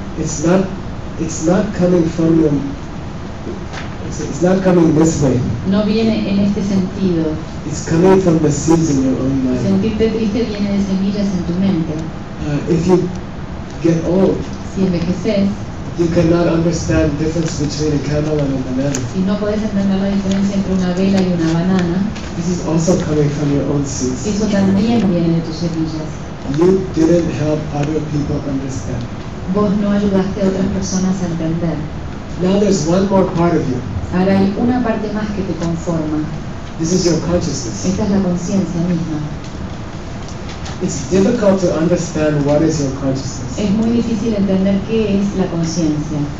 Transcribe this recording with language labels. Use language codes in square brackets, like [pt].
[en] it's not coming from you. It's not coming this way. [es] No viene en este sentido. [en] It's coming from the seeds in your own mind. [es] Sentirte triste viene de semillas en tu mente. [en] If you get old, [es] si envejeces, [en] you cannot understand the difference between a candle and a banana. [es] Si no puedes entender la diferencia entre una vela y una banana, [en] this is also coming from your own seeds. [es] Eso también viene de tus semillas. [en] You didn't help other people understand. [es] Vos no ayudaste a otras personas a entender. [en] Now there's one more part of you. [es] Ahora hay una parte más que te conforma. [en] This is your consciousness. [es] Esta es la conciencia misma. [en] It's difficult to understand what is your consciousness. [es] Es muy difícil entender qué es la conciencia.